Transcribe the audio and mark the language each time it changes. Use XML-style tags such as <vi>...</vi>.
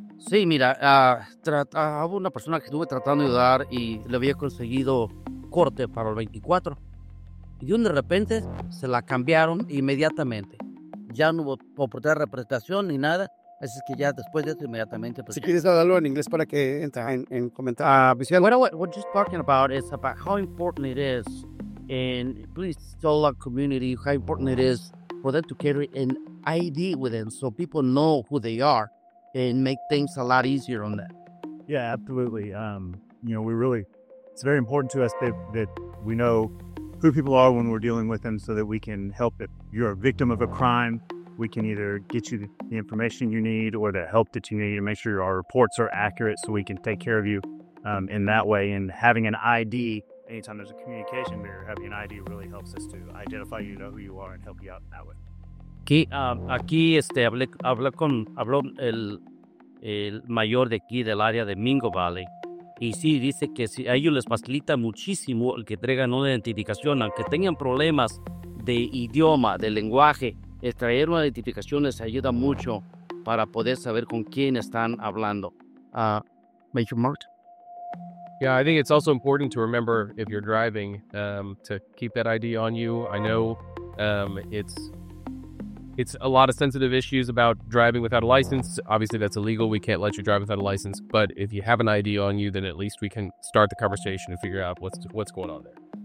<es>Sí, mira, hubo una persona que estuve tratando de ayudar y le había conseguido corte para el 24. Y de repente se la cambiaron inmediatamente. Ya no hubo oportunidad de representación ni nada. Así que ya después de eso, inmediatamente. Pues, si quieres hablarlo en inglés para que entre en comentar. Visual.</es> <en>What you're talking about is about how important it is. And please tell our community how important it is for them to carry an ID with them so people know who they are and make things a lot easier on that. Yeah, absolutely. It's very important to us that we know who people are when we're dealing with them so that we can help. If you're a victim of a crime, we can either get you the information you need or the help that you need to make sure our reports are accurate so we can take care of you in that way. And having an ID, anytime there's a communication barrier, having an ID really helps us to identify you, know who you are, and help you out in that way.</en> <es>Aquí, habló el mayor de aquí del área de Mingo Valley. Y sí, dice que a ellos les facilita muchísimo el que traigan una identificación, aunque tengan problemas de idioma, de lenguaje, extraer una identificación les ayuda mucho para poder saber con quién están hablando.</es> <en>Major Mart. Yeah, I think it's also important to remember if you're driving to keep that ID on you. I know It's a lot of sensitive issues about driving without a license. Obviously, that's illegal. We can't let you drive without a license. But if you have an ID on you, then at least we can start the conversation and figure out what's going on there.</en>